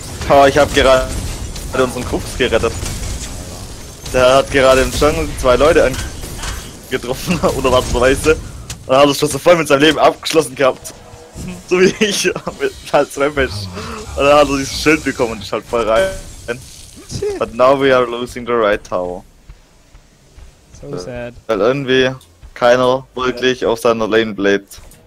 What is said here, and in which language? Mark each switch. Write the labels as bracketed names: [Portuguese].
[German] Oh, ich hab gerade unseren Krux gerettet. Der hat gerade im Jungle zwei Leute angetroffen, unerwarteterweise. Und hat das schon so voll mit seinem Leben abgeschlossen gehabt. So wie ich mit als Rampage. Und dann hat er dieses Schild bekommen und ist halt voll rein. [English] But now we are losing the right tower. So sad. [German] Weil irgendwie keiner wirklich auf seiner Lane bleibt.